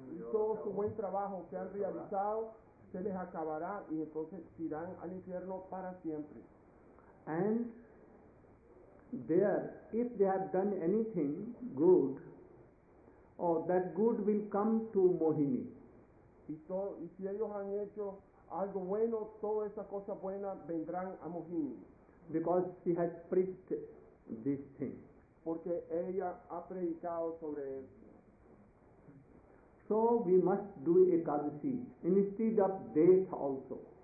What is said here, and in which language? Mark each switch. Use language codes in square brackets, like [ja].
[es] Todo su buen trabajo que han realizado se les acabará y entonces irán al infierno para siempre. [en] And there, if they have done anything good, or that good will come to Mohini. [es] Y si ellos han hecho algo bueno, todas esas cosas buenas vendrán a Mohini. [en] Because she has preached this thing. [es] Porque ella ha predicado sobre eso. [en] So we must do Ekadasi instead of death also.